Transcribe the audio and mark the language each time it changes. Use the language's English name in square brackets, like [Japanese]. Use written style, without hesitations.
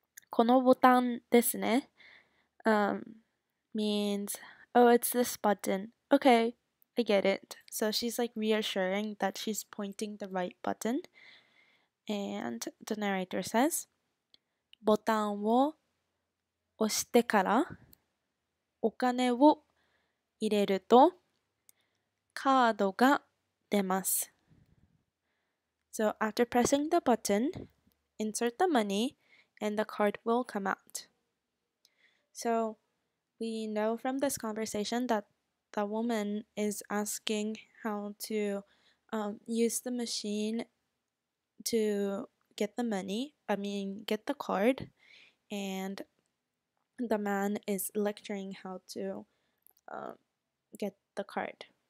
[Japanese] このボタンですね [English] means, oh, it's this button. Okay, I get it. So, she's like reassuring that she's pointing the right button. And the narrator says, [Japanese] ボタンを押してからお金を入れるとカードが出ます。 [English] So after pressing the button, insert the money and the card will come out. So we know from this conversation that the woman is asking how to use the machine to get the money, I mean get the card, and the man is lecturing how to get the card.